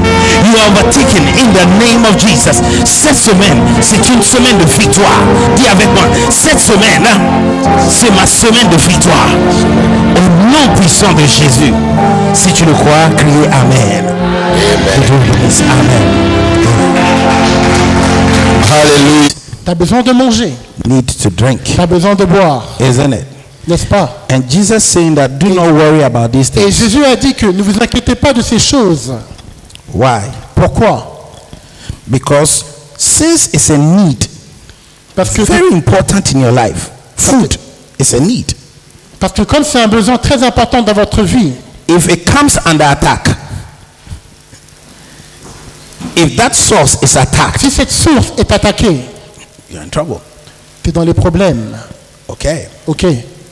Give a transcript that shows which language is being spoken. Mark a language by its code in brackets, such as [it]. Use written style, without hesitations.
[en] You are overtaken in the name of Jesus. [fr] Cette semaine, c'est une semaine de victoire. Dis avec moi, cette semaine, c'est ma semaine de victoire. Au nom puissant de Jésus. Si tu le crois, crie Amen. Amen. Hallelujah. Tu as besoin de manger. [en] Need to drink. [fr] Tu as besoin de boire. [en] Isn't it? [fr] N'est-ce pas? [en] And Jesus saying that do not worry about these things. [fr] Et Jésus a dit que ne vous inquiétez pas de ces choses. [en] Why? [fr] Pourquoi? [en] Because since it's a need, [fr] parce que [en] very important in your life, food is a need. [fr] Parce que comme c'est un besoin très important dans votre vie, [en] if it comes under attack, if that source is attacked, [fr] si cette source est attaquée, [en] you're in trouble. [fr] Tu es dans les problèmes. [en] Okay. Okay.